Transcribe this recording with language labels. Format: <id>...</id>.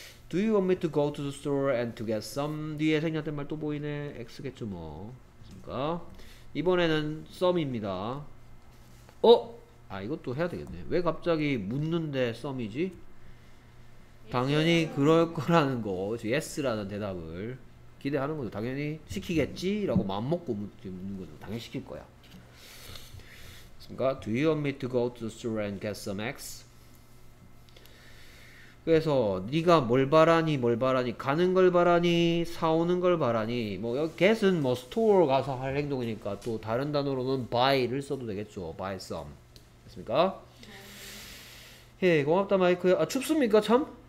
<en>Do you want me to go to the store and to get some?</en> <ko>뒤에 생략된 말 또 보이네. X겠죠 뭐. 됐습니까? 이번에는 some입니다. 어? 아 이것도 해야 되겠네. 왜 갑자기 묻는데 some이지? 당연히 그럴 거라는 거. yes라는 대답을 기대하는 거죠. 당연히 시키겠지? 라고 마음먹고 묻는 거죠. 당연히 시킬 거야. 됐습니까?</ko> <en>Do you want me to go to the store and get some X?</en> <ko>그래서 네가 뭘 바라니 가는 걸 바라니 사오는 걸 바라니 뭐 여기 get은 뭐 store 가서 할 행동이니까 또 다른 단어로는 buy를 써도 되겠죠. buy some. 됐습니까? 예, 고맙다 마이크. 아 춥습니까 참?</ko>